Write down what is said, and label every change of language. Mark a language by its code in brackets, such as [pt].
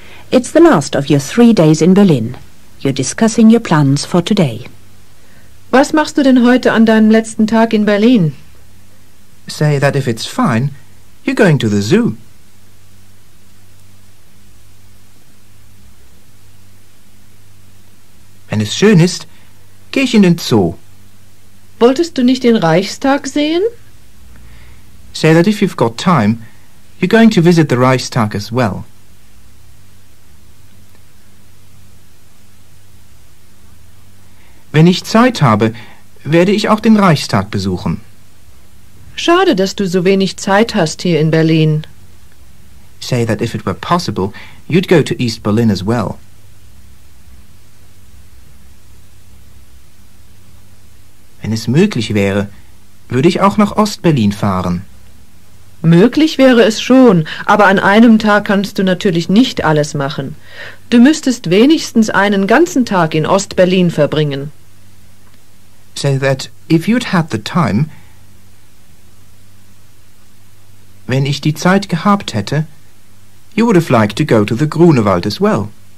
[en] It's the last of your 3 days in Berlin. You're discussing your plans for today. [de] Was machst du denn heute an deinem letzten Tag in Berlin? [en] Say that if it's fine, you're going to the zoo. [de] Wenn es schön ist, gehe ich in den Zoo. Wolltest du nicht den Reichstag sehen? [en] Say that if you've got time, you're going to visit the Reichstag as well. [de] Wenn ich Zeit habe, werde ich auch den Reichstag besuchen. Schade, dass du so wenig Zeit hast hier in Berlin. [en] Say that if it were possible, you'd go to East Berlin as well. [de] Wenn es möglich wäre, würde ich auch nach Ost-Berlin fahren. Möglich wäre es schon, aber an einem Tag kannst du natürlich nicht alles machen. Du müsstest wenigstens einen ganzen Tag in Ost-Berlin verbringen. [en] Say that if you'd had the time, [de] wenn ich die Zeit gehabt hätte, [en] you would have liked to go to the Grunewald as well.